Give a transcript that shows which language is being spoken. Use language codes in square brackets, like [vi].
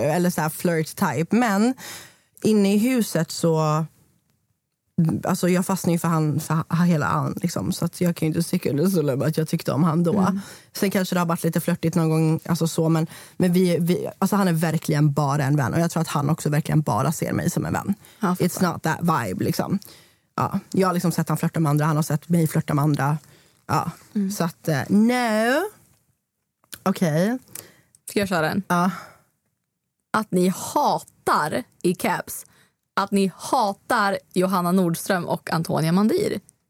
[sv] Eller så här flirt type. Men inne i huset så... Alltså jag fastnade ju för han för hela han liksom. Så att jag kan ju inte sticka under solen att jag tyckte om han då. Sen kanske det har varit lite flörtigt någon gång, alltså så, men vi, alltså han är verkligen bara en vän. Och jag tror att han också verkligen bara ser mig som en vän. [en] It's not that vibe liksom. [sv] Ja, jag har liksom sett han flörta med andra. Han har sett mig flörta med andra. Ja. Så att no. Okej, okay. Ska jag köra den? Ja. Att ni hatar i caps att ni hatar Johanna Nordström och Antonia Mandir.